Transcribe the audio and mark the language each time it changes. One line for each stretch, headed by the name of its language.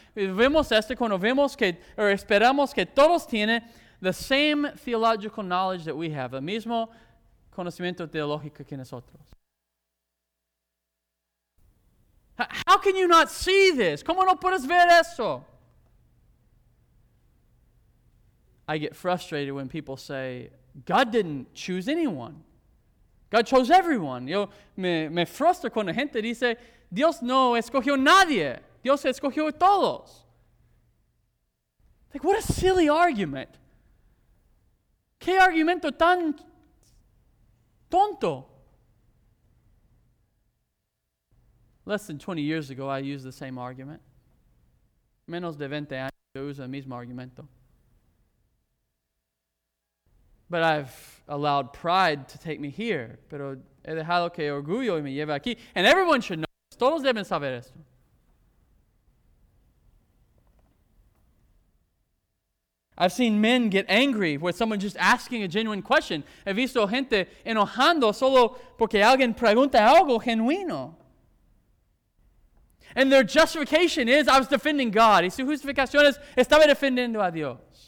Spanish: Vemos esto cuando vemos que, or esperamos que todos tienen
English: the same theological knowledge that we have,
Spanish: el mismo conocimiento teológico que nosotros.
English: How can you not see this?
Spanish: ¿Cómo no puedes ver eso?
English: I get frustrated when people say, God didn't choose anyone. God chose everyone.
Spanish: Yo me frustro cuando gente dice, Dios no escogió nadie. Dios escogió a todos.
English: Like, what a silly argument.
Spanish: ¿Qué argumento tan tonto?
English: Less than 20 years ago, I used the same argument.
Spanish: Menos de 20 años, yo uso el mismo argumento.
English: But I've allowed pride to take me here.
Spanish: Pero he dejado que orgullo me lleve aquí.
English: And everyone should know this.
Spanish: Todos deben saber esto.
English: I've seen men get angry with someone just asking a genuine question.
Spanish: He visto gente enojando solo porque alguien pregunta algo genuino.
English: And their justification is, I was defending God.
Spanish: Y su justificación es, estaba defendiendo a Dios.